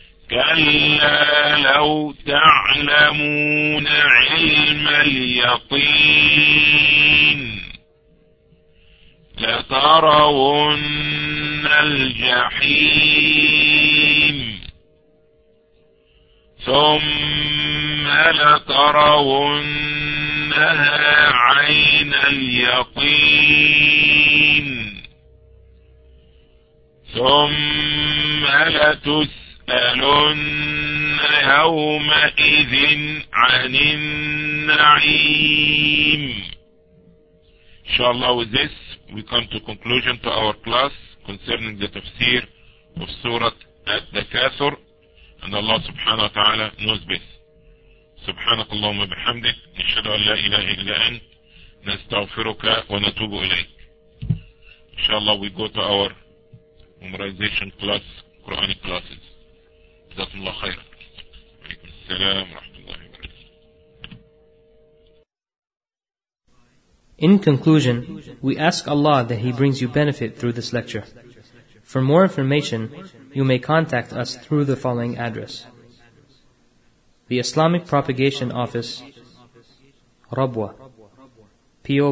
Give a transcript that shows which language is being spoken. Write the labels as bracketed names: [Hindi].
[Arabic] كلا لو تعلمون علم اليقين لترون الجحيم ثم لترونها عين اليقين ثم لتسألن يومئذ عن النعيم. [English] إن شاء الله with this we come to conclusion to our class concerning the tafsir of Surah At-Takathur. And Allah subhanahu wa ta'ala knows best. [Arabic] سبحانك اللهم وبحمدك نشهد أن لا إله إلا أنت نستغفرك ونتوب إليك. [English] إن شاء الله we go to our memorization class, Quranic classes. [Arabic] جزاك الله خير. وعليكم السلام ورحمة الله وبركاته. [English] In conclusion, we ask Allah that He brings you benefit through this lecture. For more information, you may contact us through the following address. The Islamic Propagation Office, Rabwa, P.O.